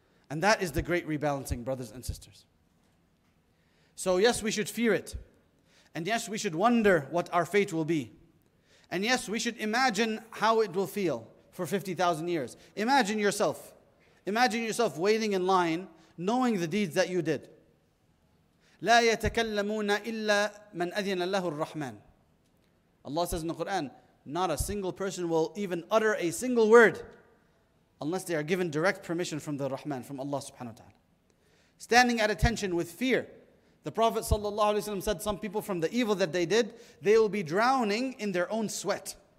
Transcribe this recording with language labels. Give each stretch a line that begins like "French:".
English: And that is the great rebalancing, brothers and sisters. So yes, we should fear it. And yes, we should wonder what our fate will be. And yes, we should imagine how it will feel for 50,000 years. Imagine yourself. Imagine yourself waiting in line, knowing the deeds that you did.
Arabic: لا يتكلمون إلا من أذن له الرحمن.
English: Allah says in the Quran, not a single person will even utter a single word unless they are given direct permission from the Rahman, from Allah subhanahu wa ta'ala. standing at attention with fear. The Prophet ﷺ said some people from the evil that they did, they will be drowning in their own sweat.